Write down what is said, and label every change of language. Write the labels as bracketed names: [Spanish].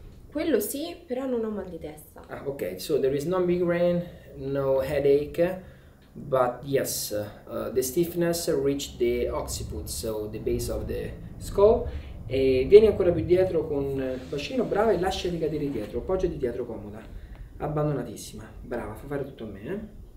[Italian] Quello sì, però non ho mal di testa. [English] Ah, ok, so there is no migraine, no headache, but yes, the stiffness reached the occiput, so the base of the skull. [Italian] E vieni ancora più dietro con il bacino, brava, e lasciati cadere dietro, appoggiati dietro comoda, abbandonatissima, brava, fa fare tutto a me.